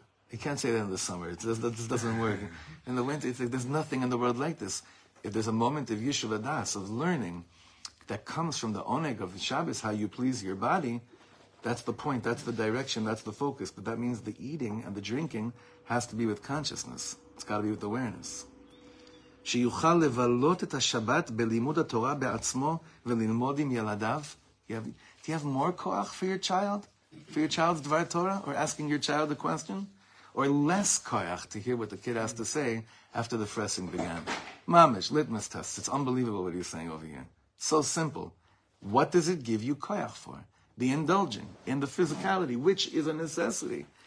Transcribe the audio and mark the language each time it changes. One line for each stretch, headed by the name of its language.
English: You can't say that in the summer. This doesn't work. In the winter, it's like, there's nothing in the world like this. If there's a moment of Yishuv Hadas, of learning, that comes from the oneg of Shabbos, how you please your body, that's the point, that's the direction, that's the focus. But that means the eating and the drinking has to be with consciousness. It's got to be with awareness.
Hebrew: שיוכל לבלות את השבת בלימוד התורה בעצמו וללמוד עם ילדיו.
English: Do you have more koach for your child? For your child's dvar Torah? Or asking your child a question? Or less koach to hear what the kid has to say after the fressing began? Mamish, litmus test. It's unbelievable what he's saying over here. So simple. What does it give you koach for? The indulging in the physicality, which is a necessity.